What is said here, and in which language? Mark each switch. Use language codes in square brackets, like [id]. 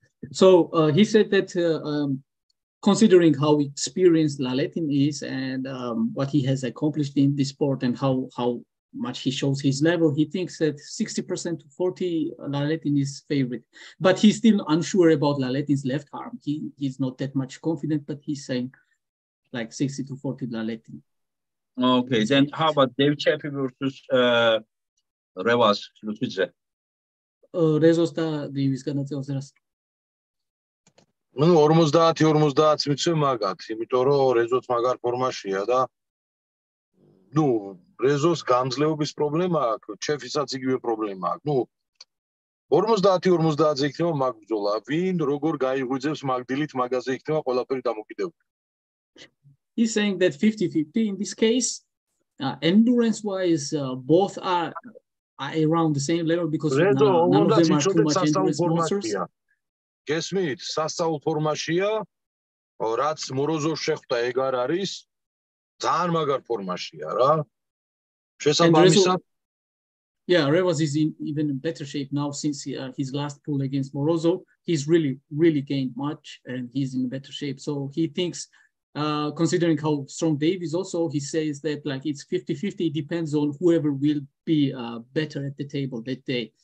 [en] So he said that considering how experienced Lalatin is and what he has accomplished in this sport and how much he shows his level, he thinks that 60% to 40 Lalatin is favorite, but he's still unsure about Lalatin's left arm. He's not that much confident, but he's saying like 60 to 40 Lalatin. Okay, then how about Dev Chepi versus Revas? Rezos da Dev is gonna tell us. [ka] Ну 50-50 მიცემ მაგათ, იმიტომ რომ რეზოც მაგარ ფორმაშია და ну რეზოს გამძლეობის პრობლემა აქვს, ჩეფისაც იგივე პრობლემა აქვს. Ну 50-50-ზე იქნება მაგ ბრძოლა, ვინ როგორ გაიღვიძებს მაგდილით მაგაზე იქნება ყველაფერი დამოკიდებული. [en] He's saying that 50-50 in this case, endurance wise both are around the same level because Rezo, none of them are too much endurance monsters. [ka] გესმით, სასწაულ ფორმაშია, რაც მოროზოს შეხვდა ეგ არ არის. ძალიან მაგარ ფორმაშია რა. [en] შესაბამისად Yeah, Revas is in even in better shape now since his last pull against Morozov. He's really really gained much and he's in better shape. So he thinks considering how strong Dave is also, he says that like it's 50-50 it depends on whoever will be better at the table that day.